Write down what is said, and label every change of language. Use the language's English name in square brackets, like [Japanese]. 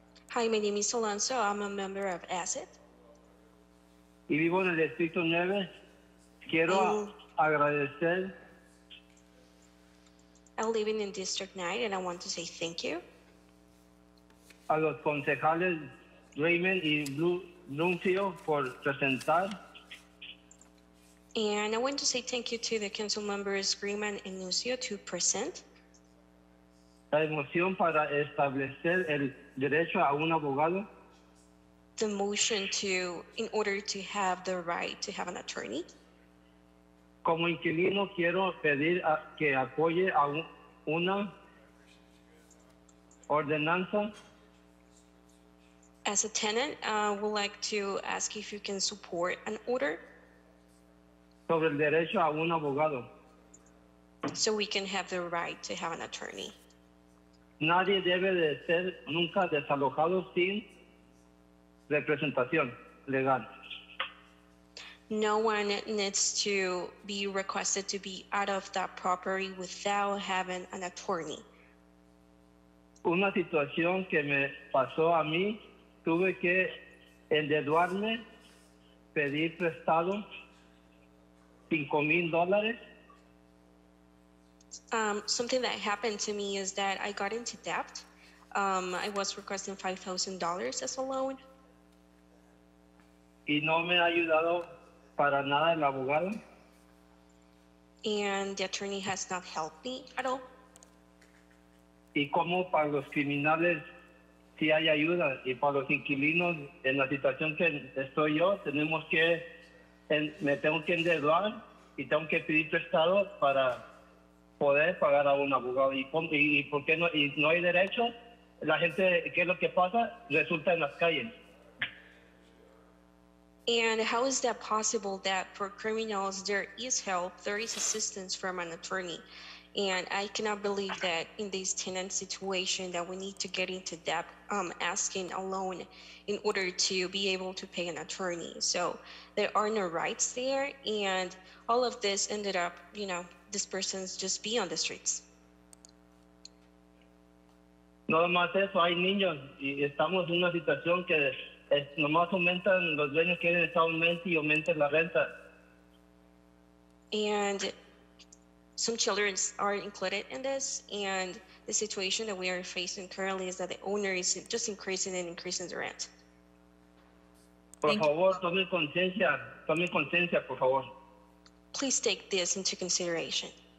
[English] Hi, my name is Alonso. I'm a member of ACET. [Spanish] Y vivo en el Distrito 9. Quiero agradecer. [English] I'm living in District 9 and I want to say thank you. [Spanish] A los concejales Raymond y Nuncio por presentar. [English] And I want to say thank you to the council members Raymond and Nuncio to present. [Spanish] La moción para establecer el derecho a un abogado. [English] The motion to, in order to have the right to have an attorney. [Spanish] Como inquilino quiero pedir que apoye a una ordenanza. [English] As a tenant, I would like to ask if you can support an order. [Spanish] Sobre el derecho a un abogado. [English] So we can have the right to have an attorney. [Spanish] Nadie debe de ser nunca desalojado sin representación legal. [English] No one needs to be requested to be out of that property without having an attorney. [Spanish] Una situación que me pasó a mí, tuve que endeudarme, pedir prestado $5,000. [English] Something that happened to me is that I got into debt. I was requesting $5,000 as a loan. [Spanish] Y no me ha ayudado para nada el abogado. [English] And the attorney has not helped me at all. [Spanish] Y como para los criminales si hay ayuda y para los inquilinos en la situación que estoy yo tenemos que me tengo que endeudar y tengo que pedir prestado para poder pagar a un abogado y por qué no y no hay derecho la gente qué es lo que pasa resulta en las calles. [English] And how is that possible that for criminals there is help, there is assistance from an attorney? And I cannot believe that in this tenant situation that we need to get into debt asking a loan in order to be able to pay an attorney. So there are no rights there. And all of this ended up, you know, this person's just be on the streets. [Spanish] No más eso, hay niños y estamos en una situación que nomás aumentan los dueños que aumenta y aumenta la renta. [English] And some children are included in this, and the situation that we are facing currently is that the owner is just increasing and increasing the rent. [Spanish] Por favor, tome conciencia, por favor. [English] Please take this into consideration.